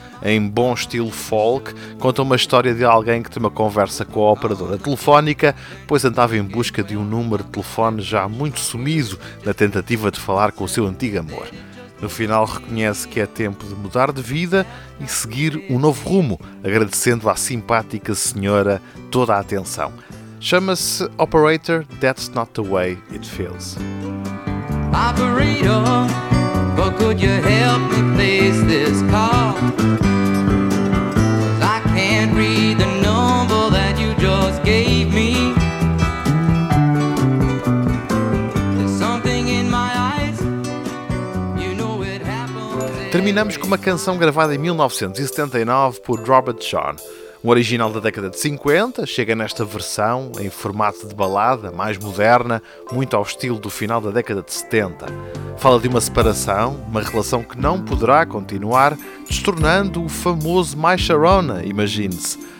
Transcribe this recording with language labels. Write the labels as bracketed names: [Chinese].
[Portuguese] Em bom estilo folk, conta uma história de alguém que tem uma conversa com a operadora telefónica, pois andava em busca de um número de telefone já muito sumido na tentativa de falar com o seu antigo amor. No final, reconhece que é tempo de mudar de vida e seguir um novo rumo, agradecendo à simpática senhora toda a atenção. Chama-se Operator, That's Not The Way It Feels. [English] Operator, but could you help me place this call? 'Cause I can't read the number that you just gave me. There's something in my eyes, you know it happens. [Portuguese] Terminamos com uma canção gravada em 1979 por Robert Sean. Um original da década de 50, chega nesta versão, em formato de balada, mais moderna, muito ao estilo do final da década de 70. Fala de uma separação, uma relação que não poderá continuar, destornando o famoso My Sharona, imagine-se.